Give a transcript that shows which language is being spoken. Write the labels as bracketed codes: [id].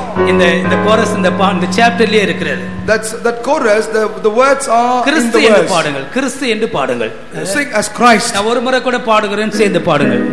[ta] இந்த கோரஸ் இந்த சாப்டர்லயே இருக்கிறது. [en] That's that chorus the words are [ta] கிறிஸ்து என்று பாடுங்கள். கிறிஸ்து என்று பாடுங்கள். [en] Sing as Christ. [ta] நான் ஒரு முறை கூட பாடுகிறேன் சேர்ந்து பாடுங்கள்.